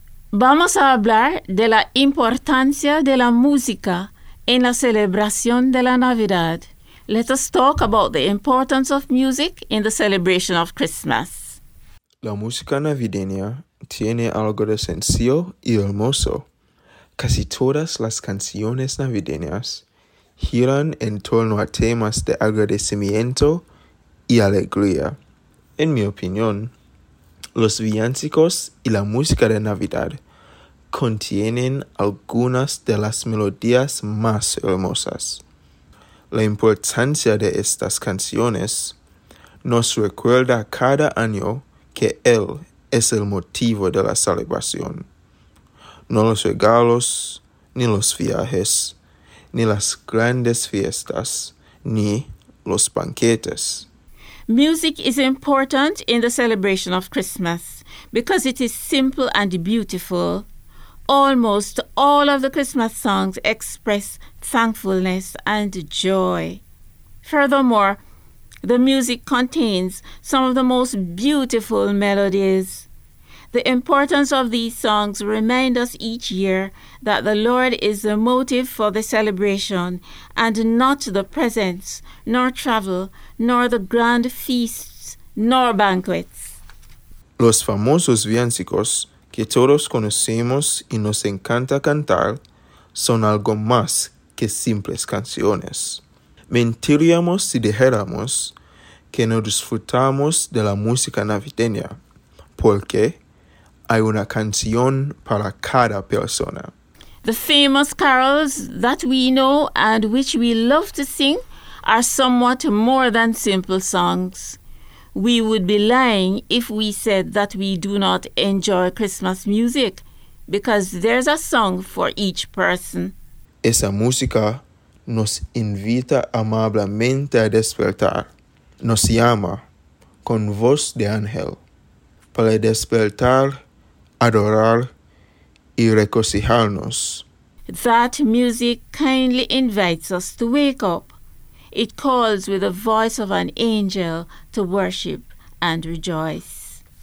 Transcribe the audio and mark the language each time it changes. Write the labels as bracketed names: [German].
[Spanish] Vamos a hablar de la importancia de la música en la celebración de la Navidad. [English] Let us talk about the importance of music in the celebration of Christmas. [Spanish] La música navideña tiene algo de sencillo y hermoso. Casi todas las canciones navideñas giran en torno a temas de agradecimiento y alegría. En mi opinión, los villancicos y la música de Navidad contienen algunas de las melodías más hermosas. La importancia de estas canciones nos recuerda cada año que Él es el motivo de la celebración. No los regalos, ni los viajes, ni las grandes fiestas, ni los banquetes. [English] Music is important in the celebration of Christmas because it is simple and beautiful. Almost all of the Christmas songs express thankfulness and joy. Furthermore, the music contains some of the most beautiful melodies. The importance of these songs reminds us each year that the Lord is the motive for the celebration and not the presents, nor travel, nor the grand feasts, nor banquets. [Spanish] Los famosos villancicos que todos conocemos y nos encanta cantar son algo más que simples canciones. Mentiríamos si dijéramos que no disfrutamos de la música navideña, porque hay una canción para cada persona. [English] The famous carols that we know and which we love to sing are somewhat more than simple songs. We would be lying if we said that we do not enjoy Christmas music, because there's a song for each person. [Spanish] Esa música nos invita amablemente a despertar. Nos llama con voz de ángel para despertar, adorar y regocijarnos. [English] That music kindly invites us to wake up. It calls with the voice of an angel to worship and rejoice.